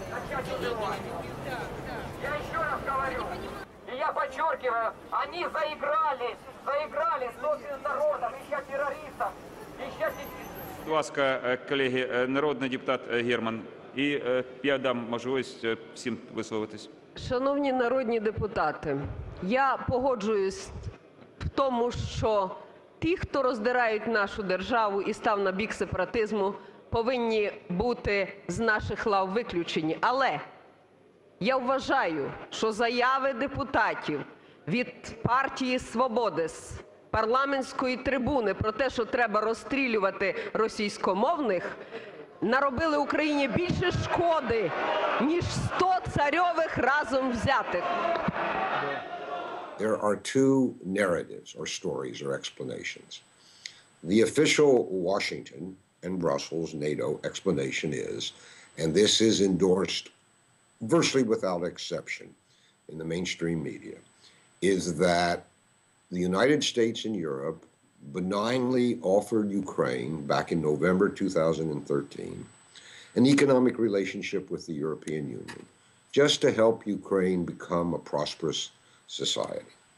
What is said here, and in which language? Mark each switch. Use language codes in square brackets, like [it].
[ru] Я еще раз говорю, и я подчеркиваю, они заиграли с собственным народом, ища террористов, ища... [uk] будь ласка, колеги, народний депутат Герман. І я дам можливість всім висловитись. Шановні народні депутати, я погоджуюсь в тому, що ті, хто роздирають нашу державу і став на бік сепаратизму, повинні бути з наших лав виключені. Але я вважаю, що заяви депутатів від партії «Свободис» парламентської трибуни про те, що треба розстрілювати російськомовних, наробили Україні більше шкоди, ніж 100 царьових разом взятих. [en] There are two narratives or stories or explanations. The official Washington and Brussels NATO explanation is, and this is endorsed virtually without exception in the mainstream media, is that the United States and Europe benignly offered Ukraine back in November 2013 an economic relationship with the European Union just to help Ukraine become a prosperous society.